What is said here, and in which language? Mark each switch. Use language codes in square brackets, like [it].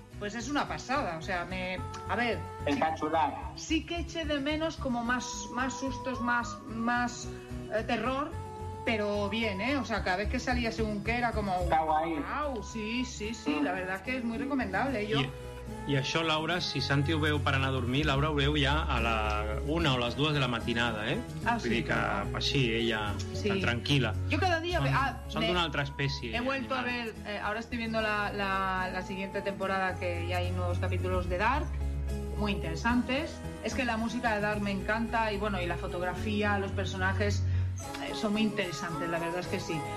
[es] pues es una pasada. O sea, me... A ver... Encachular. Sí que eché de menos como más sustos, más terror, pero bien, ¿eh? O sea, cada vez que salía según qué era como... Está guay. ¡Wow! Sí, la verdad es que es muy recomendable. Yo... [ca] I això, Laura, si Santi ho veu per anar a dormir, Laura ho veu ja a la una o les dues de la matinada, eh? Ah, sí. Vull dir que així, ella, sí. Tan tranquil·la. Jo cada dia... Són d'una altra espècie. [es] He vuelto animal. A ver... ahora estoy viendo la siguiente temporada, que ya hay nuevos capítulos de Dark, muy interesantes. Es que la música de Dark me encanta, y bueno, y la fotografía, los personajes, son muy interesantes, la verdad es que sí.